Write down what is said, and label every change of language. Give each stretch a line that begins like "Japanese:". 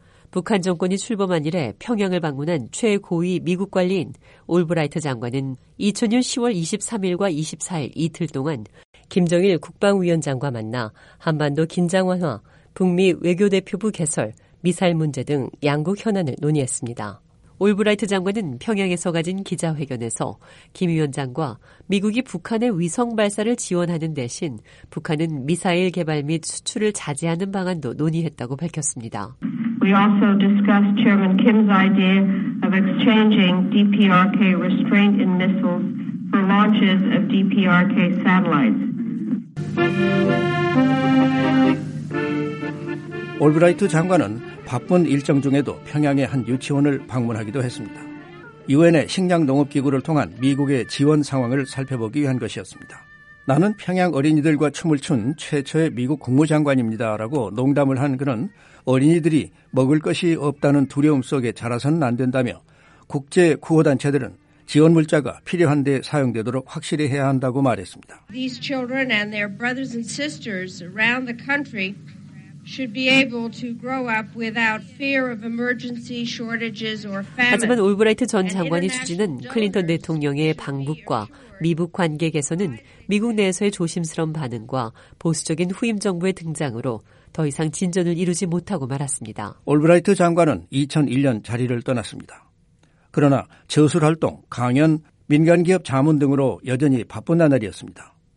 Korean: 북한 정권이 출범한 이래 평양을 방문한 최고위 미국 관리인 올브라이트 장관은 2000년 10월 23일과 24일 이틀 동안 김정일 국방위원장과 만나 한반도 긴장 완화, 북미 외교대표부 개설, 미사일 문제 등 양국 현안을 논의했습니다. 올브라이트 장관은 평양에서 가진 기자회견에서 김 위원장과 미국이 북한의 위성 발사를 지원하는 대신 북한은 미사일 개발 및 수출을 자제하는 방안도 논의했다고 밝혔습니다.
English: We also discussed Chairman Kim's idea of exchanging DPRK restraint in missiles for launches of DPRK satellites.
Korean: 올브라이트 장관은 바쁜 일정 중에도 평양의 한 유치원을 방문하기도 했습니다. 유엔의 식량농업기구를 통한 미국의 지원 상황을 살펴보기 위한 것이었습니다. 나는 평양 어린이들과 춤을 춘 최초의 미국 국무장관입니다라고 농담을 한 그는 어린이들이 먹을 것이 없다는 두려움 속에 자라서는 안 된다며 국제 구호단체들은 지원 물자가 필요한 데 사용되도록 확실히 해야 한다고 말했습니다.
English: These children and their brothers and sisters around the country should be able to grow up without fear of emergency shortages or famine.
Korean: 하지만 올브라이트 전 장관이 추진한 클린턴 대통령의 방북과 미북 관계 개선은 미국 내에서의 조심스러운 반응과 보수적인 후임 정부의 등장으로 더 이상 진전을 이루지 못하고 말았습니다. 올브라이트 장관은 2001년 자리를 떠났습니다. 그러나 저술 활동, 강연, 민간 기업 자문 등으로 여전히 바쁜 나날이었습니다.